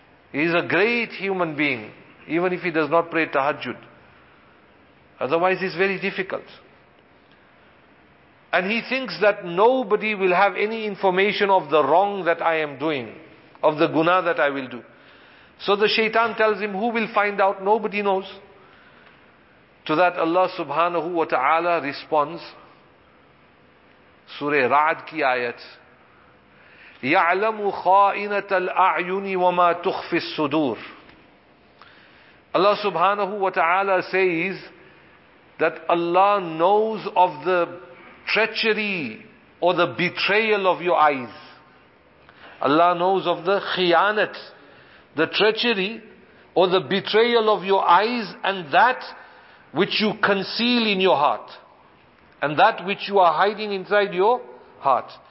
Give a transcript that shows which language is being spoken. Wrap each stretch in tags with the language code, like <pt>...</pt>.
<en>He is a great human being, even if he does not pray tahajjud. Otherwise, it's very difficult. And he thinks that nobody will have any information of the wrong that I am doing, of the guna that I will do. So the shaitan tells him, who will find out? Nobody knows. To that Allah subhanahu wa ta'ala responds,</en> <ur>سورہ رعد کی آیت,</ur> <ar>يَعْلَمُ خَائِنَةَ الْأَعْيُنِ وَمَا تُخْفِي الصُّدُورِ.</ar> <en>Allah subhanahu wa ta'ala says that Allah knows of the treachery or the betrayal of your eyes. Allah knows of the khiyanat, the treachery or the betrayal of your eyes, and that which you conceal in your heart, and that which you are hiding inside your heart.</en>